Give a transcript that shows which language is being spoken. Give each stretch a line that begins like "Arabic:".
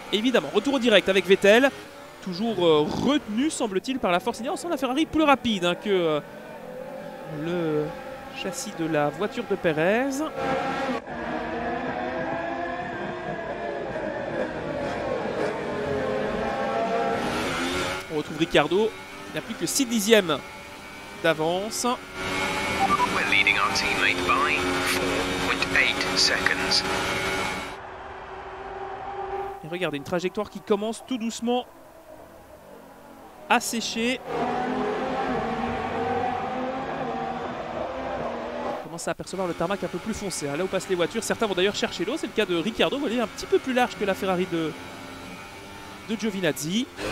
French: Évidemment, retour au direct avec Vettel. Toujours retenu, semble-t-il, par la Force India. On sent la Ferrari plus rapide que le châssis de la voiture de Perez. On retrouve Ricciardo. Il n'a plus que 6 dixièmes d'avance.
English: We're leading our teammate by 4.8 seconds.
French: Et regardez, une trajectoire qui commence tout doucement à sécher. On commence à apercevoir le tarmac un peu plus foncé. Là où passent les voitures, certains vont d'ailleurs chercher l'eau. C'est le cas de Ricciardo, vous voyez, un petit peu plus large que la Ferrari de Giovinazzi.